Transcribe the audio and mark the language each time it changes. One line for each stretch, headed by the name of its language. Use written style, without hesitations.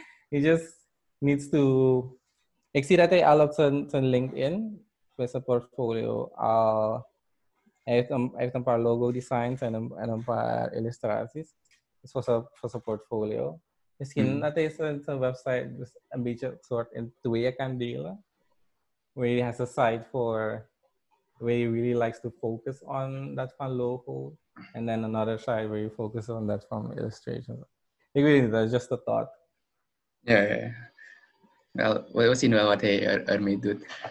Dutch: He just needs to. Ik zie dat hij al op zijn LinkedIn met zijn portfolio al. Hij heeft een paar logo designs en een paar illustraties. Dus voor zijn portfolio. Misschien dat hij zijn website dus een beetje soort in tweeën kan delen.
English: Where he has a site for where he really likes to focus on that van logo. And then another side where he focuses on that from illustration. Ik weet niet, that's just a thought. Yeah.
Dutch: Wel, we zien wel wat hij ermee doet.